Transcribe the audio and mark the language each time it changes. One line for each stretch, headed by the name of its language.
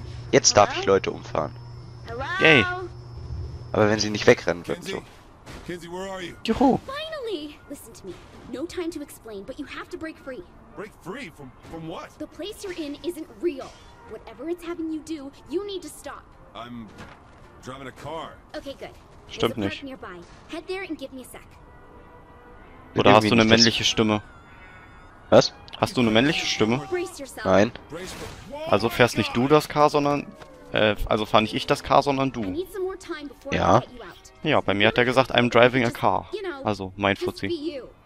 German: Jetzt darf ich Leute umfahren. Yay. Aber wenn sie nicht wegrennen würden, so.
English: Kinsey, where are you?
German: Juhu.
English: Finally! Listen to me. No time to explain, but you have to break free. Break free? From what? The place you're in isn't real. Whatever it's having you do, you need to stop. I'm driving a car. Okay, good.
German: Stimmt nicht.
English: Head there and give me a sec.
German: Oder hast du eine männliche Stimme? Was? Hast du eine männliche Stimme? Nein. Also fährst nicht du das Car, sondern... also fahr nicht ich das Car, sondern du. Ja. Ja, bei mir hat er gesagt,
English: I'm driving a car.
German: Also, mein Fuzzi.